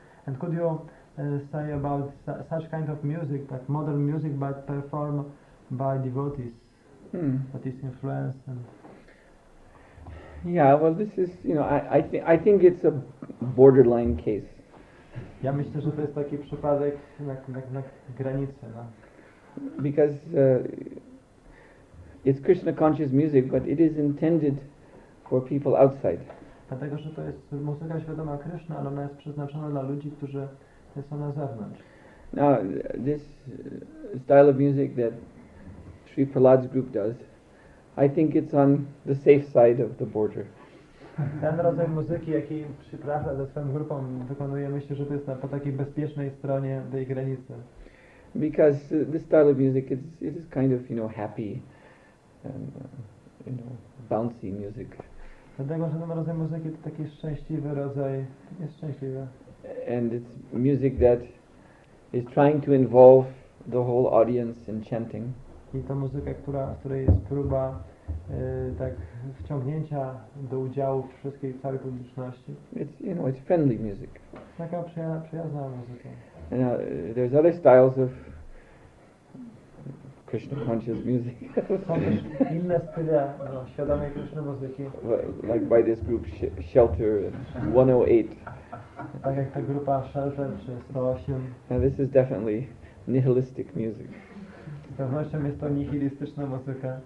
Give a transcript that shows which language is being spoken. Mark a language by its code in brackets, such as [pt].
[en] And could you say about such kind of music, but modern music, but performed by devotees? But it's influence and yeah, well, this is, you know, I think it's a borderline case. [pl] Ja myślę, że to jest taki przypadek na granicy, no. [en] Because it's Krishna conscious music, but it is intended for people outside. [pl] Dlatego, że to jest muzyka świadoma Krishna, ale ona jest przeznaczona dla ludzi, którzy są na zewnątrz. [en] Now, this style of music that Sri Prahlad's group does, I think it's on the safe side of the border. [pl] Ten rodzaj muzyki, jaki Sri Prahlad ze swoją grupą wykonuje, myślę, że to jest po takiej bezpiecznej stronie tej granicy. [en] Because this style of music is kind of, you know, happy and you know, bouncy music. [pl] Dlatego, że ten rodzaj muzyki to taki szczęśliwy rodzaj, jest szczęśliwy. [en] And it's music that is trying to involve the whole audience in chanting. [pl] I ta muzyka, której jest próba tak wciągnięcia do udziału wszystkiej całej publiczności. [en] It's, you know, it's friendly music. [pl] Taka przyjazna muzyka. [en] And, there's other styles of Krishna conscious music. [pl] Są też inne style świadomej Krishna muzyki. [en] Like by this group Shelter 108. [pl] Tak jak ta grupa Shelter czy 108. [en] Now this is definitely nihilistic music. [pl] Z pewnością jest to nihilistyczna muzyka.